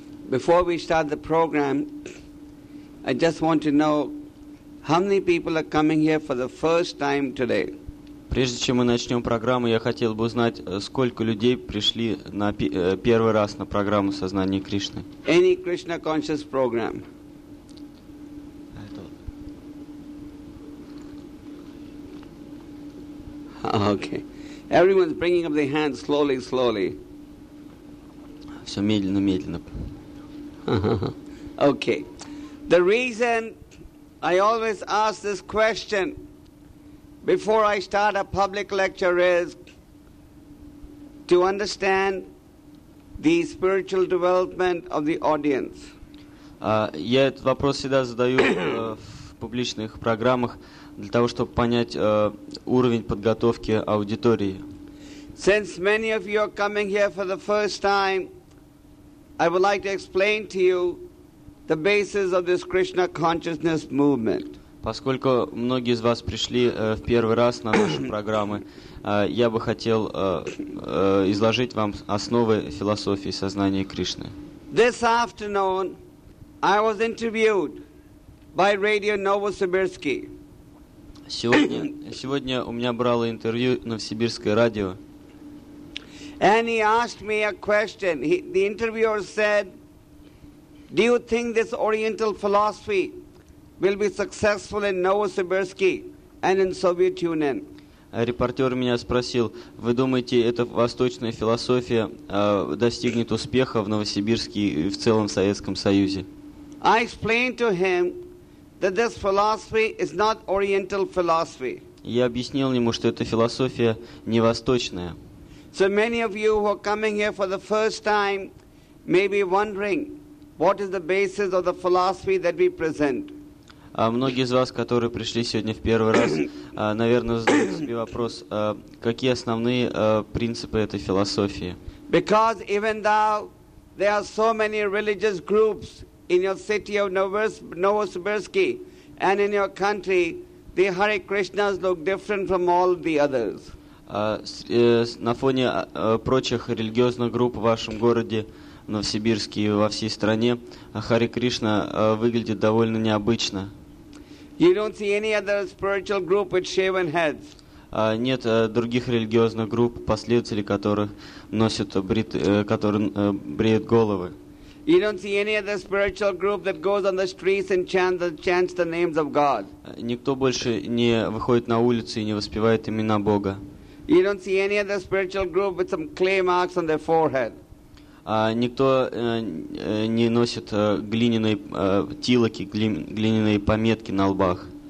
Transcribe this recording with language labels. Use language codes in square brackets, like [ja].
[en] Before we start the program, I just want to know how many people are coming here for the first time today. [ru] Прежде чем мы начнем программу, я хотел бы узнать, сколько людей пришли на первый раз на программу сознания Кришны. [en] Any Krishna conscious program? Okay. Everyone's bringing up their hands slowly, slowly. [ru] Все медленно, медленно. [en] Okay. The reason I always ask this question before I start a public lecture is to understand the spiritual development of the audience. [ru] Я этот вопрос всегда задаю в публичных программах для того, чтобы понять уровень подготовки аудитории. [en] Since many of you are coming here for the first time, I would like to explain to you the basis of this Krishna consciousness movement. [ru] Поскольку многие из вас пришли в первый раз на наши программы, я бы хотел изложить вам основы философии сознания Кришны. [en] This afternoon I was interviewed by Radio Novosibirsk. [ru] Сегодня у меня брало интервью Новосибирское радио. [en] And he asked me a question. The interviewer said, "Do you think this Oriental philosophy will be successful in Novosibirsk and in Soviet Union?" [ru] Репортер меня спросил: "Вы думаете, эта восточная философия достигнет успеха в Новосибирске и в целом в Советском Союзе?" [en] I explained to him that this philosophy is not Oriental philosophy. [ru] Я объяснил ему, что эта философия не восточная. [en] So many of you who are coming here for the first time may be wondering what is the basis of the philosophy that we present. [ru] Многие из вас, которые пришли сегодня в первый раз, наверное, задают себе вопрос, какие основные принципы этой философии. [en] Because even though there are so many religious groups in your city of Novosibirsk and in your country, the Hare Krishnas look different from all the others. [ru] На фоне прочих религиозных групп в вашем городе, в Новосибирске и во всей стране, Харе Кришна выглядит довольно необычно. [en] You don't see any other spiritual group with shaven heads. [ru] Нет других религиозных групп, последователи которых носят которые бреют головы. [en] You don't see any other spiritual group that goes on the streets and chants the names of God. [ru] Никто больше не выходит на улицы и не воспевает имена Бога. [en] You don't see any other spiritual group with some clay marks on their forehead. [ru] никто не носит глиняные тилоки, глиняные пометки на лбах.